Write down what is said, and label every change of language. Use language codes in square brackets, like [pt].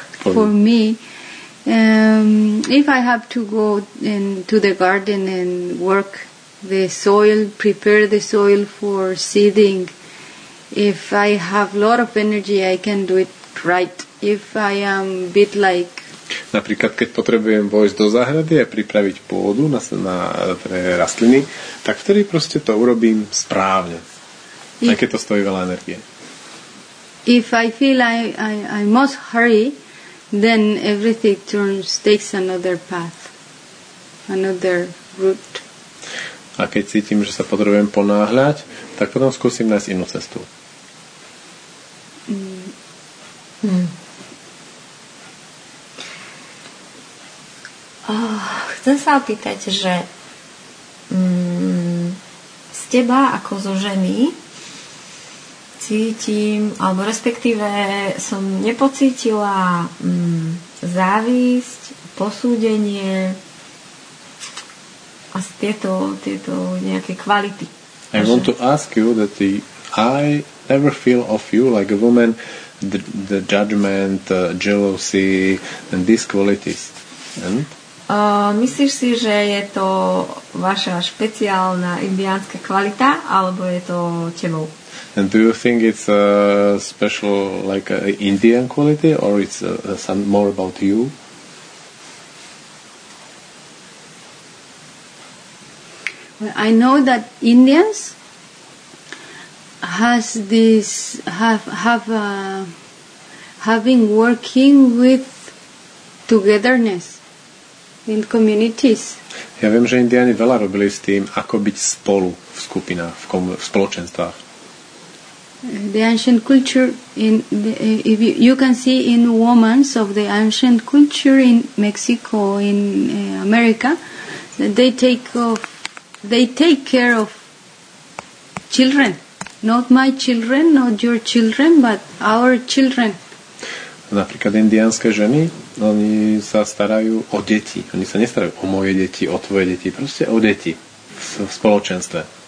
[en] For me. If I have to go into the garden and work the soil, prepare the soil for seeding, if I have a lot of energy, I can do it right. If I am a bit like [sk] napríklad, keď potrebujem vojsť do záhrady a pripraviť pôdu na rastliny, tak vtedy proste to urobím správne. Aj keď to stojí veľa energie. [en] If I feel I must hurry, then everything takes another path. Another route. [sk] A keď cítim, že sa potrebujem ponáhľať, tak potom skúsim nájsť inú cestu. Chcem sa opýtať, že z teba ako zo ženy cítim, alebo respektíve som nepocítila závisť, posúdenie a tieto nejaké kvality. [en] I want to ask you that I never feel of you like a woman the judgment, jealousy and these qualities. [sk] Myslíš si, že je to vaša špeciálna indiánska kvalita, alebo je to tebou? [en] And do you think it's a special, like an Indian quality, or it's some more about you? Well, I know that Indians have been working with togetherness. In communities. [sk] Ja viem, že Indiáni veľa robili s tým, ako byť spolu v skupinách, v spoločenstvách. [en] The ancient culture if you can see in women's of the ancient culture in Mexico, in America, they take care of children. Not my children, not your children, but our children. [sk] Napríklad indiánske ženy, oni sa starajú o deti. Oni sa nestarajú o moje deti, o tvoje deti. Proste o deti v spoločenstve.